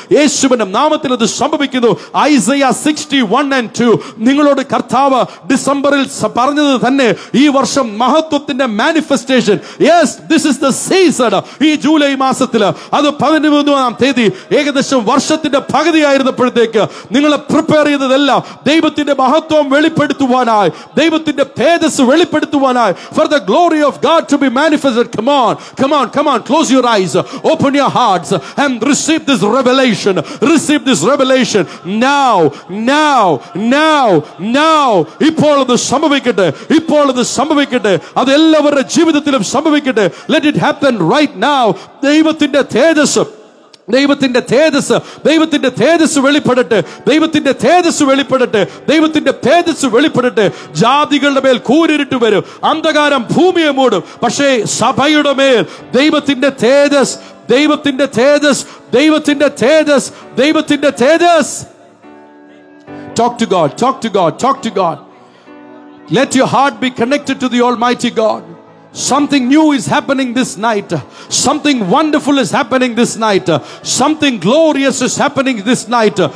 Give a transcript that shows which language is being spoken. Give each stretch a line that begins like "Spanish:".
Malayalam: യേശുവിന്റെ നാമത്തിൽ അത് സംഭവിക്കുന്നു. Isaiah 61:2 നിങ്ങളോട് കർത്താവ് ഡിസംബറിൽ പറഞ്ഞത് തന്നെ, ഈ വർഷം മഹത്വത്തിന്റെ manifestation.
English: Yes, this is the season.
Malayalam: ഈ ജൂലൈ മാസത്തിൽ, അത് 13-ാം തീയതി ഏകദേശം വർഷത്തിന്റെ പകുതി ആയിരുന്നപ്പോഴത്തേക്ക് നിങ്ങളെ പ്രിപ്പയർ ചെയ്തതെല്ലാം ദൈവത്തിന്റെ മഹത്വം വെളിപ്പെടുത്തുവാനായി, ദൈവത്തിന്റെ തേജസ് വെളിപ്പെടുത്തുവാനായി.
English: For the glory of God to be manifested, come on, come on, come on, close your eyes, open your hearts and receive this revelation, receive this revelation now, now, now, now.
Malayalam: ഇപ്പോൾ അത് സംഭവിക്കട്ടെ, ഇപ്പോൾ അത് സംഭവിക്കട്ടെ, അത് എല്ലാവരുടെ ജീവിതത്തിലും സംഭവിക്കട്ടെ.
English: Let it happen right now.
Malayalam: ദൈവത്തിന്റെ തേജസ്, ദൈവത്തിന്റെ തേജസ് ദൈവത്തിന്റെ തേജസ് വെളിപ്പെടട്ടെ, ദൈവത്തിന്റെ തേജസ് വെളിപ്പെടട്ടെ, ദൈവത്തിന്റെ തേജസ് വെളിപ്പെടട്ടെ. ജാതികളുടെ മേൽ കൂരിട്ട് വരും, അന്ധകാരം ഭൂമിയെ മൂടും, പക്ഷേ സഭയുടെ മേൽ ദൈവത്തിന്റെ തേജസ്, ദൈവത്തിന്റെ തേജസ്, ദൈവത്തിന്റെ തേജസ്, ദൈവത്തിന്റെ തേജസ്.
English: Talk to God, talk to God, talk to God. Let your heart be connected to the Almighty God. Something new is happening this night. Something wonderful is happening this night. Something glorious is happening this night.